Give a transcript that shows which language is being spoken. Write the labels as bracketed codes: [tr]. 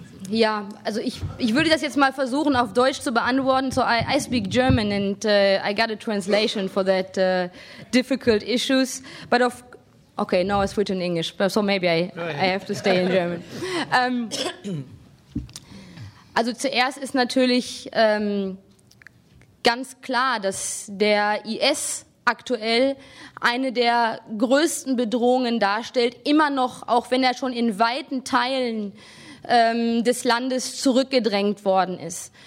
[de] Ja, also ich würde das jetzt mal versuchen auf Deutsch zu beantworten. [en] So I speak German and I got a translation for that difficult issues, but of okay, now it's written in English, so maybe I have to stay in German. [de] Also zuerst ist natürlich ganz klar, dass der IS aktuell eine der größten Bedrohungen darstellt, immer noch, auch wenn er schon in weiten Teilen des Landes zurückgedrängt worden ist.